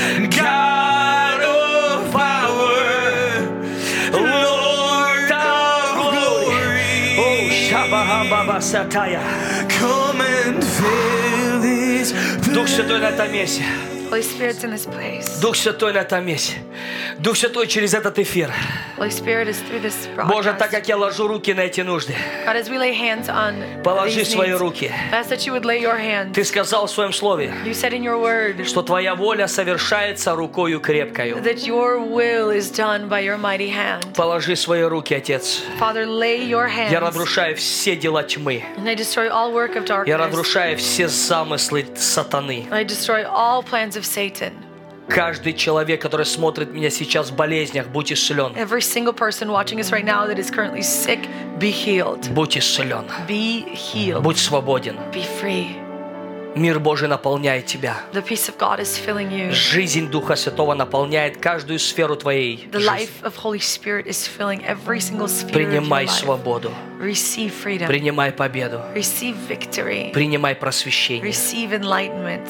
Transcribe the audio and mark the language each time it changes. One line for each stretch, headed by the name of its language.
English: God of power, Lord of glory. Oh, Shabaha Baba Sataya. Come and fill this place. Holy Spirit's in this place.
Russian: Дух Святой на этом месте. Дух Святой, через этот эфир.
English: Holy Spirit, is through this broadcast.
Russian: Боже, так как я ложу руки на эти нужды.
English: God, as we lay hands on these needs.
Russian: Положи свои руки.
English: Ask that you would lay your hands.
Russian: Ты сказал в своем слове.
English: You said in your word.
Russian: Что твоя воля совершается рукою крепкою.
English: That your will is done by your mighty hand.
Russian: Положи свои руки, Отец.
English: Father, lay your hands.
Russian: Я разрушаю все дела тьмы.
English: And I destroy all work of darkness.
Russian: Я разрушаю все замыслы сатаны.
English: I destroy all plans of Satan.
Russian: Каждый человек, который смотрит меня сейчас в болезнях, будь исцелен.
English: Every single person watching us right now that is currently sick, be healed.
Russian: Будь исцелен.
English: Be healed.
Russian: Будь свободен.
English: Be free.
Russian: Мир Божий наполняет тебя.
English: The peace of God is filling you.
Russian: Жизнь Духа Святого наполняет каждую сферу твоей жизни.
English: The life of Holy Spirit is filling every single sphere.
Russian: Принимай свободу.
English: Receive freedom.
Russian: Принимай победу.
English: Receive victory.
Russian: Принимай просвещение.
English: Receive enlightenment.